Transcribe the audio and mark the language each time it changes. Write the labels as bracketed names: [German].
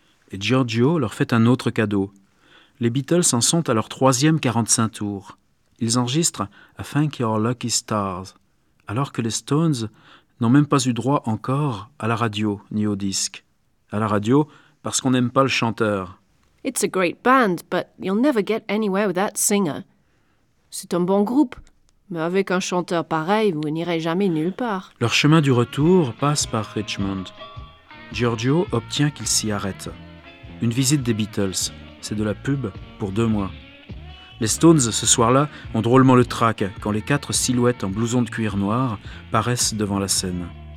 [French] Et Giorgio leur fait un autre cadeau. Les Beatles en sont à leur 3e 45 tours. Ils enregistrent « I Think You're Lucky Stars », alors que les Stones n'ont même pas eu droit encore à la radio ni au disque. À la radio, parce qu'on n'aime pas le chanteur. [English] « It's a great band, but you'll never get anywhere with that singer. [French] C'est un bon groupe, mais avec un chanteur pareil, vous n'irez jamais nulle part. » Leur chemin du retour passe par Richmond. Giorgio obtient qu'il s'y arrête. Une visite des Beatles, c'est de la pub pour 2 mois. Les Stones, ce soir-là, ont drôlement le trac quand les quatre silhouettes en blouson de cuir noir paraissent devant la scène.